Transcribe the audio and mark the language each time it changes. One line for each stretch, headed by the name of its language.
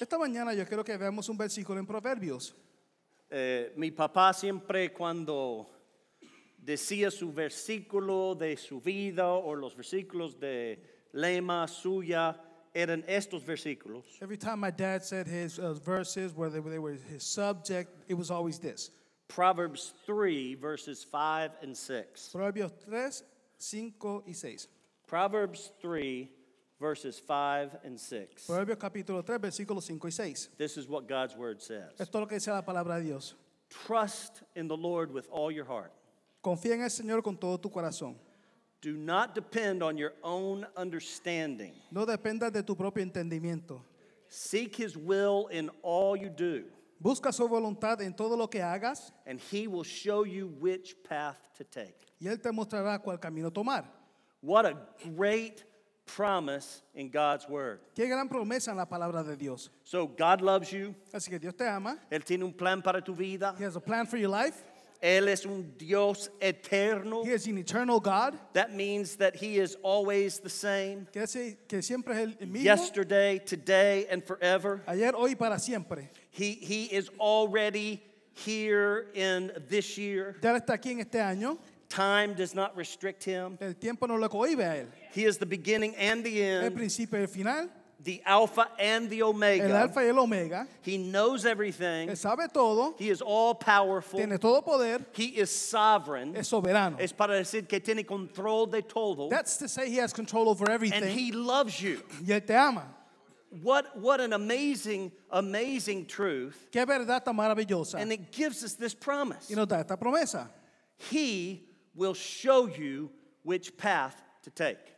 Spanish: Esta mañana yo quiero que veamos un versículo en Proverbios. Mi papá siempre cuando decía su versículo de su vida o los versículos de lema suya eran estos versículos.
English: Every time my dad said his verses, whether they were his subject, it was always this. Proverbs 3, verses 5 and 6.
Spanish: Proverbios 3, 5 y 6.
English: Proverbs 3, verses 5 and 6.
Spanish: Proverbios capítulo 3, versículos 5 y 6.
English: This is what God's word says.
Spanish: Esto es lo que dice la palabra de Dios.
English: Trust in the Lord with all your heart.
Spanish: Confía en el Señor con todo tu corazón.
English: Do not depend on your own understanding.
Spanish: No dependas de tu propio entendimiento.
English: Seek His will in all you do.
Spanish: Busca su voluntad en todo lo que hagas.
English: And He will show you which path to take.
Spanish: Y Él te mostrará cuál camino tomar.
English: What a great promise in God's word.
Spanish: Qué gran promesa en la palabra de Dios.
English: So God loves you.
Spanish: Así que Dios te ama. Él tiene un plan para tu vida.
English: He has a plan for your life.
Spanish: Él es un Dios eterno.
English: He is an eternal God. That means that He is always the same.
Spanish: Que siempre es el mismo.
English: Yesterday, today, and forever.
Spanish: Ayer, hoy, para siempre.
English: He is already here in this year.
Spanish: Él está aquí en este año.
English: Time does not restrict Him.
Spanish: El tiempo no lo cohíbe a él.
English: He is the beginning and the end.
Spanish: El principio y el final.
English: The Alpha and the Omega.
Spanish: El Alfa y el Omega.
English: He knows everything.
Spanish: Él sabe todo.
English: He is all powerful.
Spanish: Tiene todo poder.
English: He is sovereign.
Spanish: Es soberano. Es para decir que tiene control de todo.
English: That's to say He has control over everything. And He loves you.
Spanish: Y él te ama.
English: What an amazing, amazing truth.
Spanish: Qué verdad tan maravillosa.
English: And it gives us this promise.
Spanish: Y nos da esta promesa.
English: He will show you which path to take.